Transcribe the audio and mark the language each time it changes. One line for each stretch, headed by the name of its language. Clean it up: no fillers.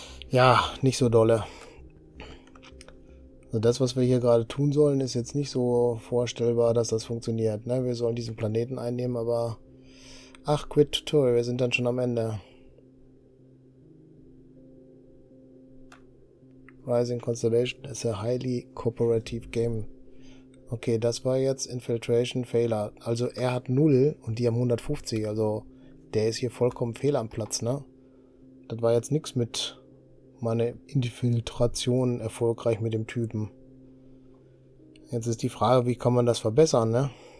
German: Ja, nicht so dolle. Also das, was wir hier gerade tun sollen, ist jetzt nicht so vorstellbar, dass das funktioniert, ne? Wir sollen diesen Planeten einnehmen, aber ach, quit Tutorial, wir sind dann schon am Ende.
English: Rising Constellation is a highly cooperative game.
German: Okay, das war jetzt Infiltration Failure. Also er hat 0 und die haben 150. Also der ist hier vollkommen fehl am Platz, ne? Das war jetzt nichts mit meiner Infiltration erfolgreich mit dem Typen. Jetzt ist die Frage, wie kann man das verbessern, ne?